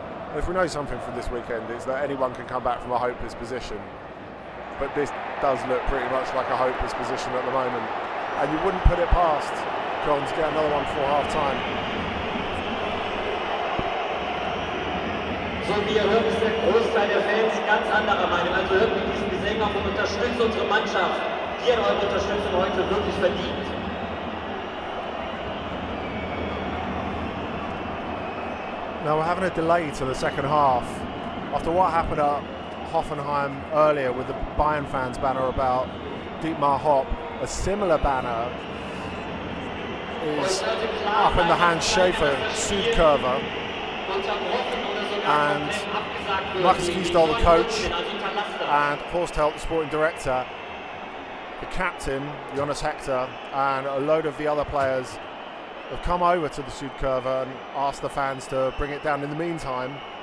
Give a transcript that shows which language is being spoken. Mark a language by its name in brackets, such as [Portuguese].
[English] And if we know something from this weekend, it's that anyone can come back from a hopeless position. But this does look pretty much like a hopeless position at the moment. And you wouldn't put it past Köln to get another one for half time. [German] So, wie ihr hört, ist der Großteil der Fans ganz anderer Meinung. Also hört mit diesen Gesängen auf und unterstützt unsere Mannschaft, die hat eure Unterstützung heute wirklich verdient. [English] Now we're having a delay to the second half. After what happened up Hoffenheim earlier with the Bayern fans banner about Dietmar Hopp, a similar banner is up in the hands Schäfer, Südkurver, and Marcus Kiesdahl, the coach, and Horsthelt, the sporting director, the captain, Jonas Hector, and a load of the other players have come over to the Südkurver and asked the fans to bring it down in the meantime.